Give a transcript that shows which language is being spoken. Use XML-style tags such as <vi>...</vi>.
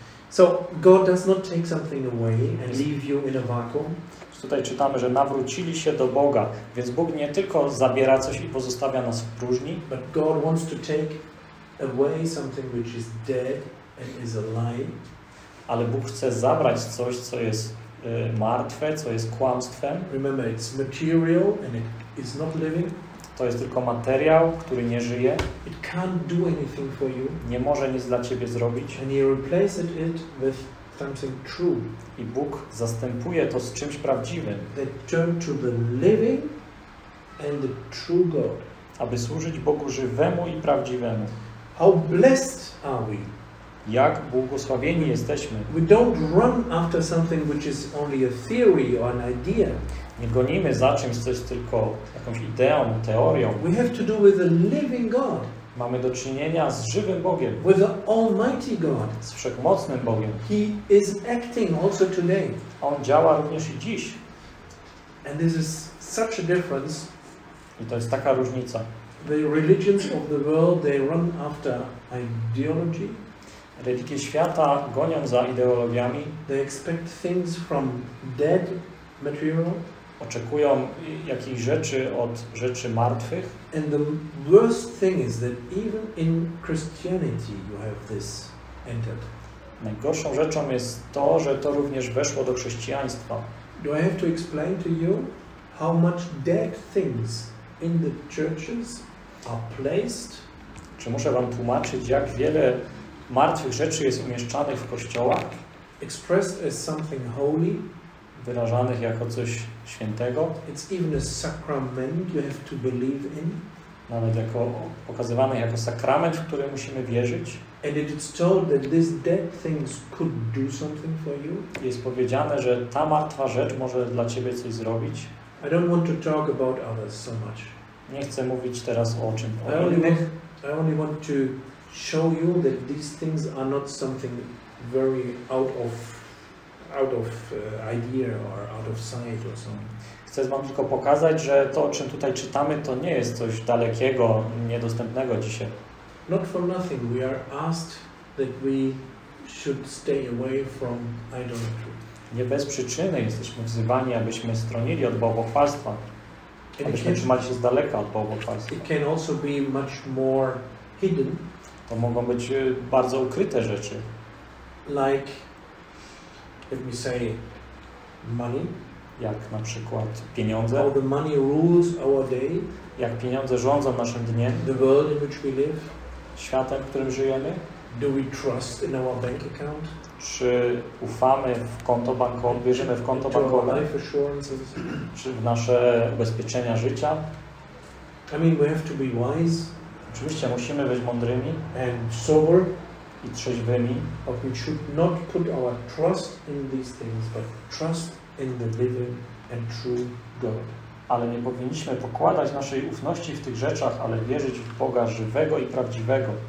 <en>So God does not take something away and leave you in a vacuum.</en> <pl>Tutaj czytamy, że nawrócili się do Boga, więc Bóg nie tylko zabiera coś i pozostawia nas w próżni,</pl> <en>but God wants to take away something which is dead and is a lie.</en> <pl>Ale Bóg chce zabrać coś, co jest martwe, co jest kłamstwem.</pl> <en>Remember, it's material and it is not living.</en> <pl>To jest tylko materiał, który nie żyje.</pl> <en>It can't do anything for you.</en> <pl>Nie może nic dla ciebie zrobić.</pl> <en>And he replaced it with something true.</en> <pl>I Bóg zastępuje to z czymś prawdziwym.</pl> <en>They turn to the living and the true God.</en> <pl>Aby służyć Bogu żywemu i prawdziwemu.</pl> <en>How blessed are we?</en> <pl>Jak błogosławieni jesteśmy.</pl> <en>We don't run after something which is only a theory or an idea.</en> <pl>Nie gonimy za czymś, co jest tylko jakąś ideą, teorią.</pl> <en>We have to do with a living God.</en> <pl>Mamy do czynienia z żywym Bogiem.</pl> <en>With the Almighty God.</en> <pl>Z wszechmocnym Bogiem.</pl> <en>He is acting also today.</en> <pl>On działa również i dziś.</pl> <en>And this is such a difference.</en> <pl>I to jest taka różnica.</pl> <en>The religions of the world, they run after ideology.</en> <pl>Religie świata gonią za ideologiami.</pl> <en>They expect things from dead material.</en> <pl>Oczekują jakichś rzeczy od rzeczy martwych.</pl> <en>And the worst thing is that even in Christianity you have this entered.</en> <pl>Najgorszą rzeczą jest to, że to również weszło do chrześcijaństwa.</pl> <en>Do I have to explain to you how much dead things in the churches are placed?</en> <pl>Czy muszę wam tłumaczyć, jak wiele martwych rzeczy jest umieszczanych w kościołach?</pl> <en>Expressed as something holy.</en> <pl>Wyrażanych jako coś świętego.</pl> <en>It's even a sacrament you have to believe in.</en> <pl>Nawet jako, pokazywane jako sakrament, w który musimy wierzyć.</pl> <en>And it is told that these dead things could do something for you.</en> <pl>Jest powiedziane, że ta martwa rzecz może dla ciebie coś zrobić.</pl> <en>I don't want to talk about others so much.</en> <pl>Nie chcę mówić teraz o czym.</pl> <en>I only want to show you that these things are not something very out of idea or out of sight or something.</en> <pl>Chcę wam tylko pokazać, że to, o czym tutaj czytamy, to nie jest coś dalekiego, niedostępnego dzisiaj.</pl> <en>Not for nothing we are asked that we should stay away from idolatry.</en> <pl>Nie bez przyczyny jesteśmy wzywani, abyśmy stronili od bałwochwalstwa, abyśmy trzymali się z daleka od bałwochwalstwa.</pl> <en>It can also be much more hidden.</en> <pl>To mogą być bardzo ukryte rzeczy.</pl> <en>Like, let me say, money.</en> <pl>Jak na przykład pieniądze.</pl> <en>How the money rules our day.</en> <pl>Jak pieniądze rządzą naszym dniem.</pl> <en>The world in which we live.</en> <pl>Światem, w którym żyjemy.</pl> <en>Do we trust in our bank account?</en> <pl>Czy ufamy w konto bankowe, wierzymy w konto bankowe?</pl> <en>Life assurances.</en> <pl>Czy w nasze ubezpieczenia życia?</pl> <en>I mean, we have to be wise.</en> <pl>Oczywiście musimy być mądrymi</pl> <en>and sober</en> <pl>i trzeźwymi.</pl> <en>But we should not put our trust in these things, but trust in the living and true God.</en> <pl>Ale nie powinniśmy pokładać naszej ufności w tych rzeczach, ale wierzyć w Boga żywego i prawdziwego.</pl>